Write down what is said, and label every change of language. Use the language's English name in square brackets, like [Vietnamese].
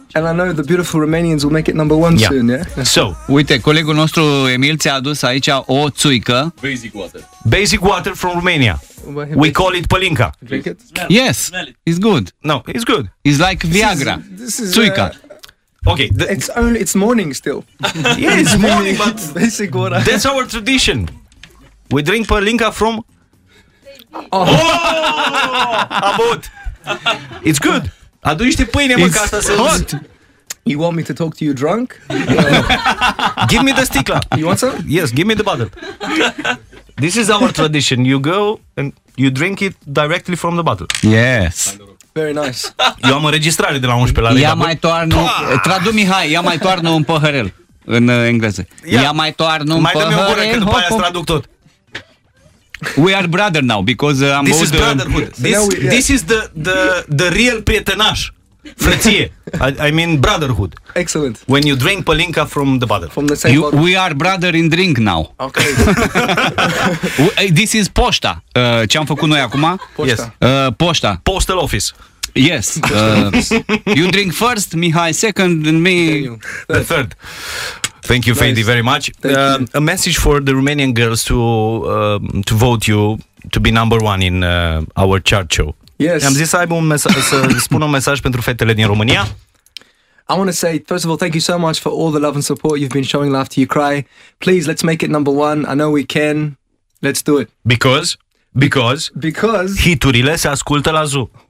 [English] And I know the beautiful Romanians will make it number one soon, yeah? So, [Romanian] uite, colegul nostru Emil ți-a adus aici o țuică. [English] Basic water. Basic water from Romania. We call it palinka. Drink it? Yes. Smell it. It's good. No, it's good. It's like Viagra. Țuica. Okay. It's morning still. Yeah, it's morning, but basic water. That's our tradition. We drink palinka from... Oh! About. It's good. [Romanian] Adu niște pâine, mă, ca asta să [English] hot. You want me to talk to you drunk? Give me the sticla. You want some? Yes, give me the bottle. This is our tradition. You go and you drink it directly from the bottle. Yes. Very nice. [Romanian] Eu am înregistrare de la 11 la Liga. Ia mai toarnă, tradu Mihai, ia mai toarnă un păhărel în engleză. Ia mai toarnă un păhărel. Mai dă-mi o gură, că după aia îți traduc tot. [English] We are brother now because I'm this is brotherhood. This is the real [Romanian] prietenaș. Frăție. [English] I mean brotherhood. Excellent. When you drink palinka from the bottle. From the same bottle. We are brother in drink now. Okay. This is [Romanian] poșta. Ce am făcut noi acum? Poșta. Yes. Poșta. [English] Postal office. Yes. You drink first, Mihai second and me the third. Thank you, Fendi, very much. Thank you. A message for the Romanian girls to vote you to be number one in our chart show. Yes. [Romanian] Am zis să aibă un mesaj, să spun un mesaj pentru fetele din România. [English] I want to say, first of all, thank you so much for all the love and support you've been showing after you cry. Please, let's make it number one. I know we can. Let's do it. [Romanian] Because hiturile se ascultă la Zoo.